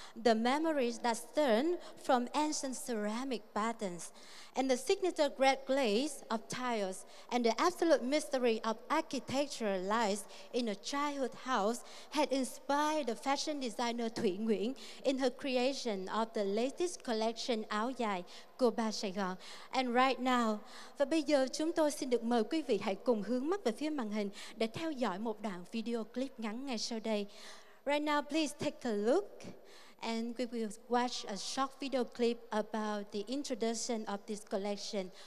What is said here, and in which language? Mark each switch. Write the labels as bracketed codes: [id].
[en] The memories that stem from ancient ceramic patterns and the signature red glaze of tiles and the absolute mystery of architecture lies in a childhood house had inspired the fashion designer Thủy Nguyễn in her creation of the latest collection áo dài Cô Ba Sài Gòn. And right now, [vi] và bây giờ chúng tôi xin được mời quý vị hãy cùng hướng mắt về phía màn hình để theo dõi một đoạn video clip ngắn ngay sau đây. [en] Right now, please take a look and we will watch a short video clip about the introduction of this collection.